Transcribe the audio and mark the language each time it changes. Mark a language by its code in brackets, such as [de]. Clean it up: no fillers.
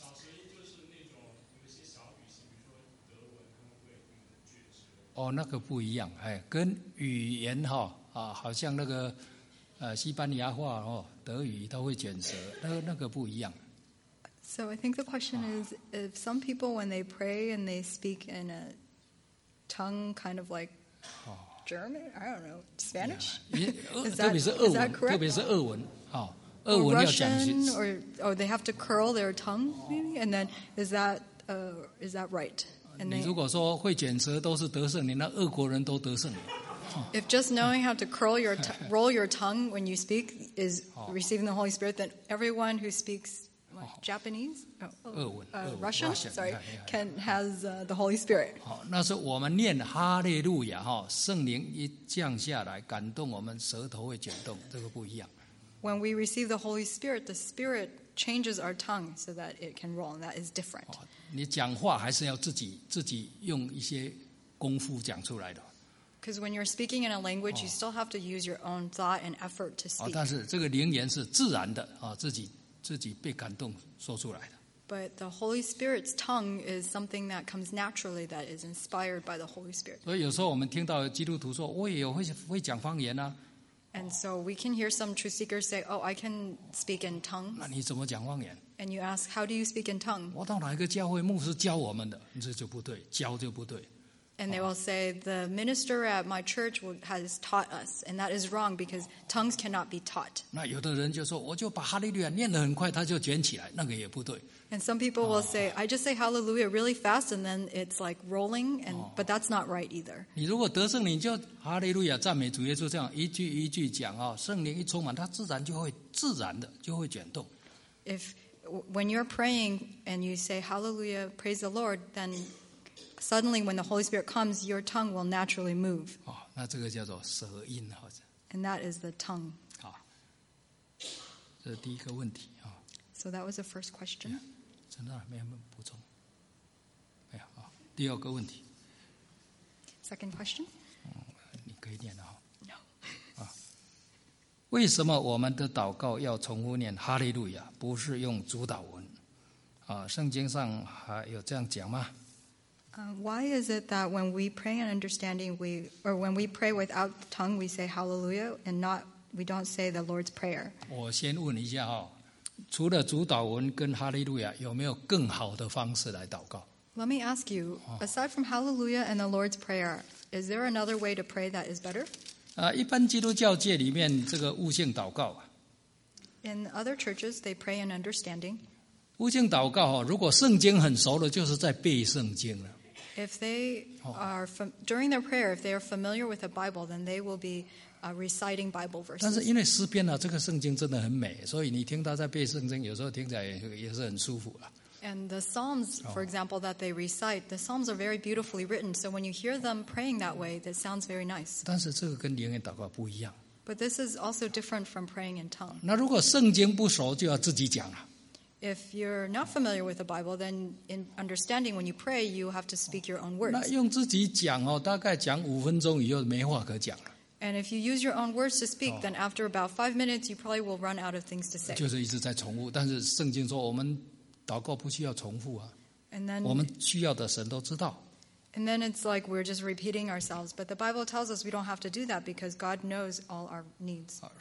[zh] 小舌音就是那种有些小语型，比如说德文，他们会卷舌。哦，那个不一样，哎，跟语言哈啊，好像那个西班牙话哦，德语它会卷舌，那个不一样。 [en] So I think the question is, if some people when they pray and they speak in a tongue kind of like. German, I don't know, Spanish. Yeah. Is that correct? [zh] 特别是俄文，俄文要讲些。 [en] Or they have to curl their tongue, maybe. And then is that right? And [zh] 你如果说会卷舌都是得胜，你那俄国人都得胜。 [en] If just knowing how to curl your roll your tongue when you speak is receiving the Holy Spirit, then everyone who speaks Japanese, Russian, sorry, can has the Holy Spirit. [zh] 那是我们念哈利路亚哈，圣灵一降下来，感动我们舌头会卷动，这个不一样。 [en] When we receive the Holy Spirit, the Spirit changes our tongue so that it can roll, and that is different. [zh] 你讲话还是要自己用一些功夫讲出来的。 [en] Because when you're speaking in a language, you still have to use your own thought and effort to speak. [zh] 但是这个灵言是自然的啊，自己被感动说出来的。 [en] But the Holy Spirit's tongue is something that comes naturally, that is inspired by the Holy Spirit. [zh] 所以有时候我们听到基督徒说，我也有会讲方言啊。 [en] And so we can hear some true seekers say, "Oh, I can speak in tongues." [zh] 那你怎么讲方言 [en] ？And you ask, "How do you speak in tongues?" [zh] 我到哪一个教会，牧师教我们的，这就不对，教就不对。 [en] And they will say, "The minister at my church has taught us," and that is wrong because tongues cannot be taught. [zh] 那有的人就说，我就把哈利路亚念得很快，它就卷起来，那个也不对。 [en] And some people will say, "I just say hallelujah really fast, and then it's like rolling," but that's not right either. [zh] 你如果得圣灵，就哈利路亚赞美主耶稣，这样一句一句讲啊，圣灵一充满，它自然的就会卷动。 [en] If when you're praying and you say hallelujah, praise the Lord, then suddenly, when the Holy Spirit comes, your tongue will naturally move. [zh] 哦，那这个叫做舌音，好像。 [en] And that is the tongue. [zh] 好，这是第一个问题啊。 [en] So that was the first question. [zh] 真的没有补充。没有啊。第二个问题。 [en] Second question. [zh] 你可以念啊。 [en] No. [zh] 啊，为什么我们的祷告要重复念哈利路亚，不是用主导文？啊，圣经上还有这样讲吗？ [en] Why is it that when we pray in understanding, when we pray without tongue, we say hallelujah, and not we don't say the Lord's prayer? [zh] 我先问一下哈，除了主导文跟哈利路亚，有没有更好的方式来祷告 [en] ？Let me ask you. Aside from hallelujah and the Lord's prayer, is there another way to pray that is better? [zh] 一般基督教界里面这个悟性祷告啊。 [en] In other churches, they pray in understanding. [zh] 悟性祷告，如果圣经很熟的，就是在背圣经了。 [en] If they are during their prayer, if they are familiar with the Bible, then they will be reciting Bible verses. [zh] 但是因为诗篇呢，这个圣经真的很美，所以你听到在背圣经，有时候听起来也是很舒服了。 [en] And the Psalms, for example, that they recite, the Psalms are very beautifully written. So when you hear them praying that way, that sounds very nice. [zh] 但是这个跟灵言祷告不一样。 [en] But this is also different from praying in tongues. [zh] 那如果圣经不熟，就要自己讲了。 [en] If you're not familiar with the Bible, then in understanding when you pray, you have to speak your own words. [zh] 那用自己讲哦，大概讲五分钟，你就没话可讲了。 [en] And if you use your own words to speak, then after about 5 minutes, you probably will run out of things to say. [zh] 就是一直在重复，但是圣经说我们祷告不需要重复啊。 [en] And then [zh] 我们需要的神都知道。 [en] And then it's like we're just repeating ourselves, but the Bible tells us we don't have to do that because God knows all our needs.